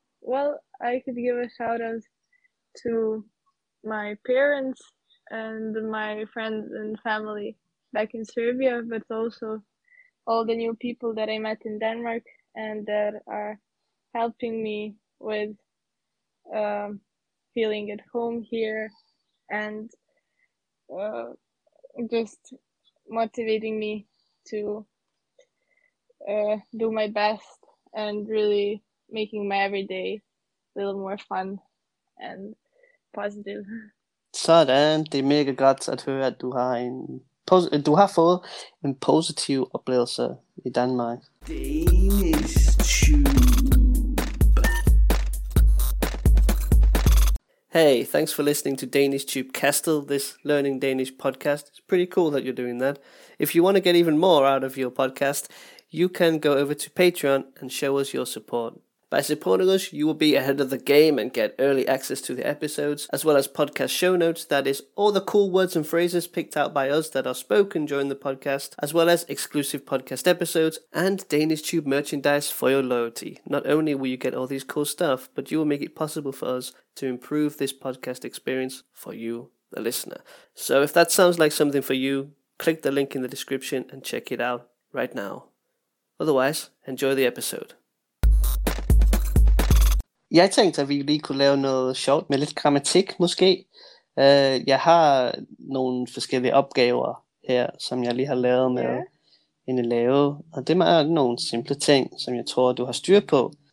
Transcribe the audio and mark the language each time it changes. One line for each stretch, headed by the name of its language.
English: Well, I could give a shout out to my parents and my friends and family back in Serbia, but also all the new people that I met in Denmark and that are helping me with feeling at home here and just motivating me to do my best and really making my everyday a little more fun and positive.
Danish: Sådan, det er mega godt at høre, at du har en du har fået en positiv oplevelse i Danmark.
English: Hey, thanks for listening to Danish Tube Kastel, this learning Danish podcast. It's pretty cool that you're doing that. If you want to get even more out of your podcast, you can go over to Patreon and show us your support. By supporting us, you will be ahead of the game and get early access to the episodes, as well as podcast show notes, that is, all the cool words and phrases picked out by us that are spoken during the podcast, as well as exclusive podcast episodes and Danish Tube merchandise for your loyalty. Not only will you get all these cool stuff, but you will make it possible for us to improve this podcast experience for you, the listener. So if that sounds like something for you, click the link in the description and check it out right now. Otherwise, enjoy the episode.
Danish: Jeg tænkte, at vi lige kunne lave noget sjovt med lidt grammatik, måske. Jeg har nogle forskellige opgaver her, som jeg lige har lavet med en elev. Og det er nogle simple ting, som jeg tror, du har styr på.